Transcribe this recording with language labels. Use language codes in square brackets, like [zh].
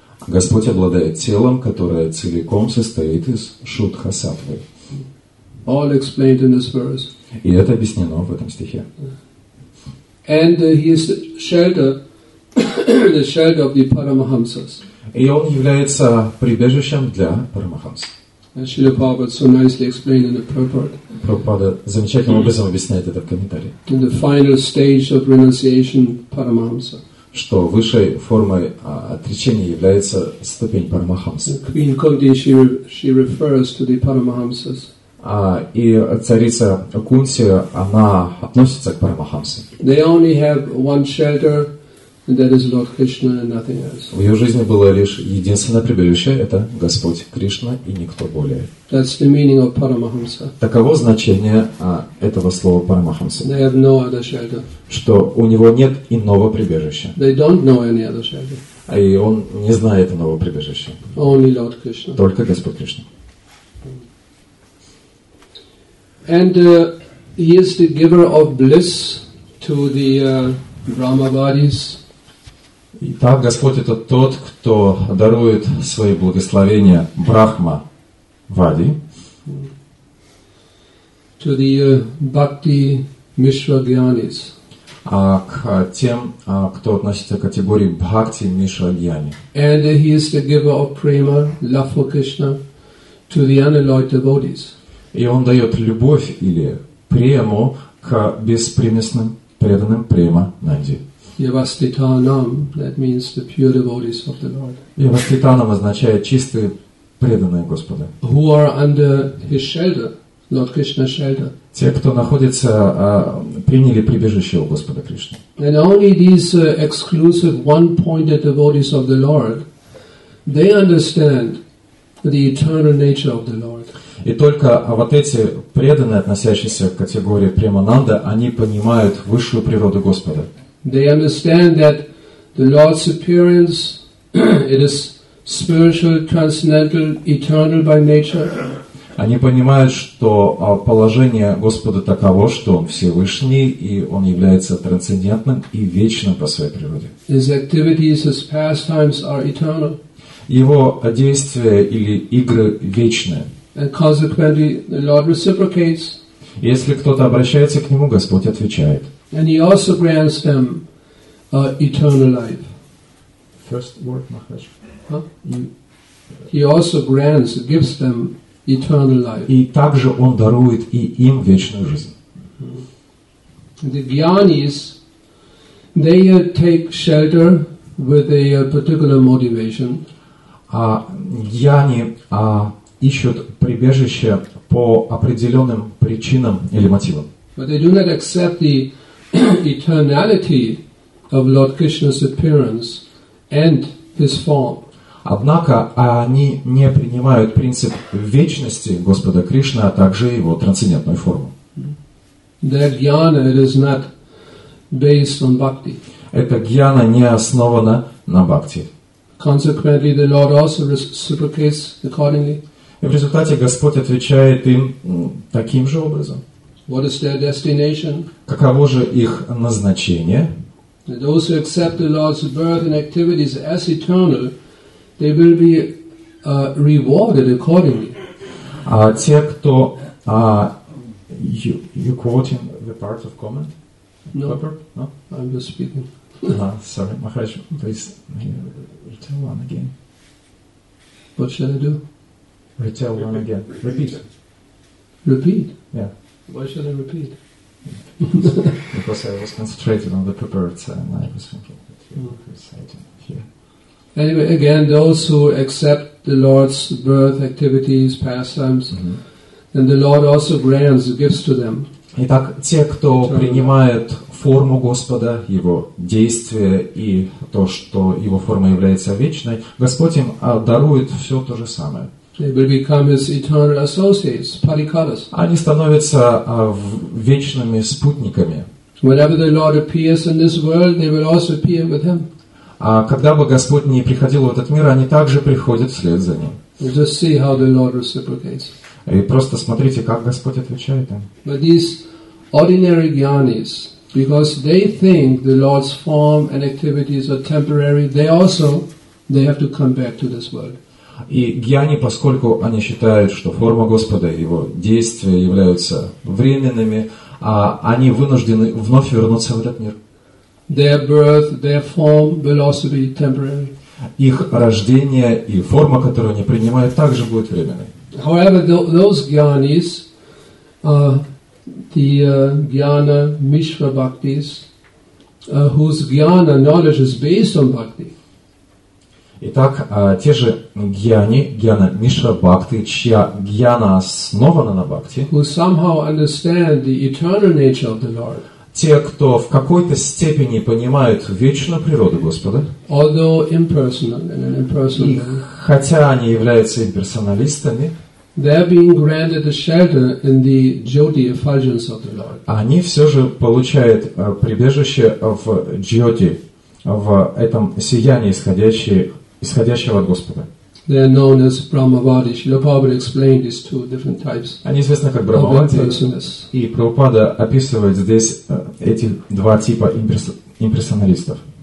[ru] Господь обладает телом, которое целиком состоит из Шуддха Саттвы. [en] All explained in this verse. [ru] И это объяснено в этом стихе. [en] And He is shelter, the shelter of the Paramahamsas. [ru] И Он является прибежищем для Парамахамс. [en] Srila Prabhupada so nicely explained in the purport. [ru] Prabhupada замечательным образом объясняет это в комментарии. [en] In the final stage of renunciation, Paramahamsa. [ru] Что высшей формой отречения является ступень Парамахамса. [en] Queen Kunti, she refers to the Paramahamsas. [ru] И царица Кунти, она относится к Парамахамсам. [en] They only have one shelter, and that is Lord Krishna and nothing else. [ru] В ее жизни было лишь единственное прибежище, это Господь Кришна и никто более. [en] That's the meaning of Paramahamsa. [ru] Таково значение этого слова Парамахамса. [en] They have no other shelter. [ru] Что у него нет иного прибежища. [en] They don't know any other shelter. [ru] И он не знает иного прибежища. [en] Only Lord Krishna. [ru] Только Господь Кришна. [en] And he is the giver of bliss to the Brahma bodies. [ru] Итак, Господь это тот, кто дарует свои благословения Брахма Вади. [en] To the Bhakti Mishra Gyanis. [ru] А к тем, кто относится к категории Бхакти Мишра Гьяни. [en] And he is the giver of prema, love for Krishna, to the unalloyed devotees. [ru] И он дает любовь или прему к беспримесным преданным према Нанди. [en] Yavastitanam, that means the pure devotees of the Lord. [ru] Yavastitanam означает чистые преданные Господа. [en] Who are under His shelter, Lord Krishna's shelter. [ru] Те, кто находится, приняли прибежище у Господа Кришны. [en] And only these exclusive one-pointed devotees of the Lord, they understand the eternal nature of the Lord. [ru] И только вот эти преданные, относящиеся к категории премананда, они понимают высшую природу Господа. [en] They understand that the Lord's appearance it is spiritual, transcendental, eternal by nature. [ru] Они понимают, что положение Господа таково, что Он Всевышний, и Он является трансцендентным и вечным по своей природе. [en] His activities, His pastimes are eternal. [ru] Его действия или игры вечные. [en] And consequently, the Lord reciprocates. [ru] Если кто-то обращается к Нему, Господь отвечает. [en] And He also grants them eternal life. First word, Maharaj. Huh? He also grants, gives them eternal life. [ru] И также Он дарует и им вечную жизнь. [en] The Gyanis, they take shelter with a particular motivation. [ru] Гьяни ищут прибежище по определенным причинам или мотивам. [en] But they do not accept the eternality of Lord Krishna's appearance and His form. [ru] Однако они не принимают принцип вечности Господа Кришны, а также Его трансцендентную форму. [en] Their jnana is not based on bhakti. [ru] Эта гьяна не основана на бхакти. [en] Consequently, the Lord also reciprocates accordingly. [ru] И в результате Господь отвечает им таким же образом. [en] What is their destination? [ru] Каково же их назначение? [en] Those who accept the Lord's birth and activities as eternal, they will be rewarded accordingly. [ru] Те, кто [en] you quoting the part of comment? No, no? I'm just speaking. Sorry, Maharaj, please retell one again. What shall I do? Retell one again. Repeat. Repeat. Yeah. Why should I repeat? Because I was concentrated on the prepared and I was thinking that you were reciting here. Anyway, again, those who accept the Lord's birth, activities, pastimes, then the Lord also grants gifts to them. [ru] Итак, те, кто принимает форму Господа, Его действия и то, что Его форма является вечной, Господь им дарует все то же самое. [en] They will become His eternal associates, parikaras. [ru] Они становятся вечными спутниками. [en] Whenever the Lord appears in this world, they will also appear with Him. [ru] А когда бы Господь не приходил в этот мир, они также приходят вслед за Ним. [en] Just see how the Lord reciprocates. [ru] И просто смотрите, как Господь отвечает им. [en] But these ordinary jnanis, because they think the Lord's form and activities are temporary, they also they have to come back to this world. [ru] И гьяни, поскольку они считают, что форма Господа, Его действия являются временными, они вынуждены вновь вернуться в этот мир. [en] Their birth, their form will also be temporary. [ru] Их рождение и форма, которую они принимают, также будет временной. [en] However, those jnanis, the jnana mishra bhaktis, whose jnana knowledge is based on bhakti. [ru] Итак, те же гьяни, гьяна мишра бхакти, чья гьяна основана на бхакти, [en] who somehow understand the eternal nature of the Lord, [ru] те, кто в какой-то степени понимают вечную природу Господа, [en] although impersonal and an impersonal, [ru] хотя они являются имперсоналистами, [en] they are being granted a shelter in the jyoti effulgence of the Lord. [ru] Они все же получают прибежище в джоти, в этом сиянии, исходящего от Господа. [en] They are known as Brahmavadi. Srila Prabhupada explained these two different types. [ru] Они известны как Брахмавади. И Прабхупада описывает здесь эти два типа имперсоналистов.